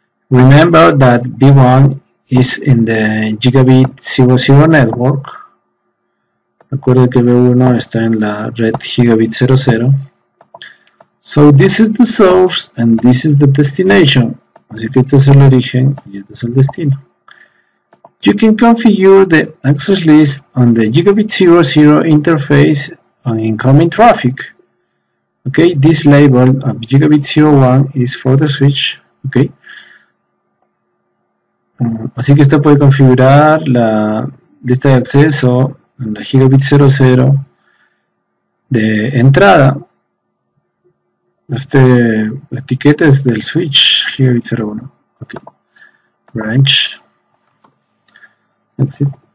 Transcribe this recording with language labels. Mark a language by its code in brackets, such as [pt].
[en] Remember that V1 is in the Gigabit 00 network. [es] Recuerde que V1 está en la red Gigabit 00. [en] So this is the source and this is the destination. [es] Así que este es el origen y este es el destino. [en] You can configure the access list on the Gigabit 00 interface on incoming traffic. Okay, this label of Gigabit 01 is for the switch. Okay. [es] Así que usted puede configurar la lista de acceso en la Gigabit 00 de entrada. Este etiqueta es del switch Gigabit 01. Okay. Branch. [en] That's it.